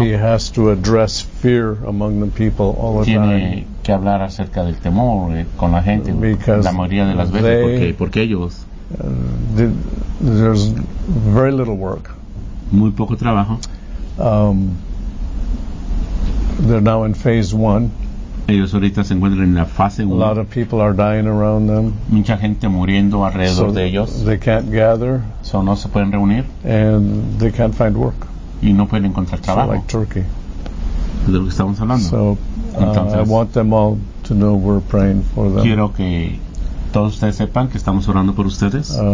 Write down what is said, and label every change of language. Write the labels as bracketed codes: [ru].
[en] He has to address fear among the people all the [es] Tiene [en] time. [es] Que hablar acerca del temor con la gente [en] Because [es] la mayoría de las veces porque ellos [en] there's very little work [es] muy poco trabajo [en] they're now in phase one [es] ellos ahorita se encuentran en la fase 1 [en] a lot of people are dying around them [es] mucha gente muriendo alrededor [en] so [es] de ellos [en] they can't gather [es] so no se pueden reunir [en] and they can't find work [es] y no pueden encontrar trabajo [en] so like Turkey [es] de lo que estamos hablando [en] so [es] Entonces, [en] I want them all to know we're praying for them. [es] Quiero que todos ustedes sepan que estamos orando por ustedes.